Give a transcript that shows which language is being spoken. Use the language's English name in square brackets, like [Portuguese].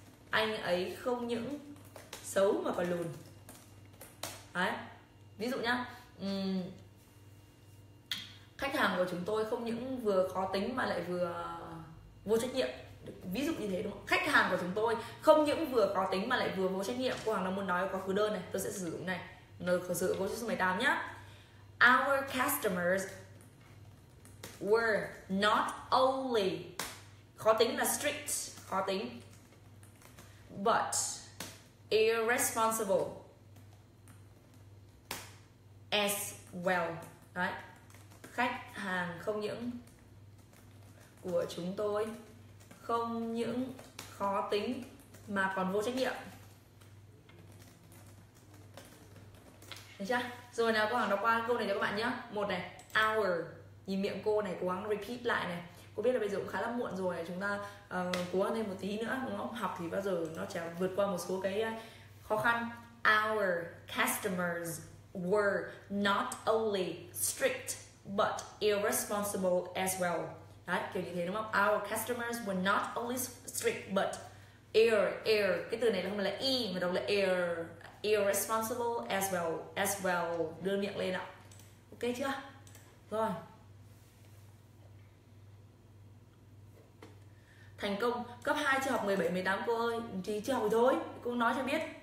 [Vietnamese] Anh ấy không những xấu mà còn lùn. Đấy. Ví dụ nhá. Khách hàng của chúng tôi không những vừa khó tính mà lại vừa vô trách nhiệm. Ví dụ như thế đúng không? Khách hàng của chúng tôi không những vừa khó tính mà lại vừa vô trách nhiệm. Cô Hằng đang muốn nói quá khứ đơn này, tôi sẽ sử dụng này. Nó thực sự có chữ số 18 nhá. [English] Our customers were not only [Vietnamese] khó tính là [English] strict, [Vietnamese] khó tính. [English] But irresponsible as well. Đấy. [Vietnamese] Khách hàng không những của chúng tôi không những khó tính mà còn vô trách nhiệm. Được chưa? Rồi nào, cô Hằng đọc qua câu này cho các bạn nhé. Một này, our. Nhìn miệng cô này, cố gắng repeat lại này. Cô biết là bây giờ cũng khá là muộn rồi, chúng ta cố gắng thêm một tí nữa đúng không? Học thì bao giờ nó chả vượt qua một số cái khó khăn. [English] Our customers were not only strict but irresponsible as well. [Vietnamese] Đấy, kiểu như thế đúng không? [English] Our customers were not only strict but ir. [Vietnamese] Cái từ này là không phải là i mà đọc là ir. [English] Irresponsible as well. As well. [Vietnamese] Đưa miệng lên ạ. Ok chưa? Rồi. Thành công. Cấp 2 chưa học 17, 18 cô ơi. Thì chưa học thôi. Cô nói cho biết.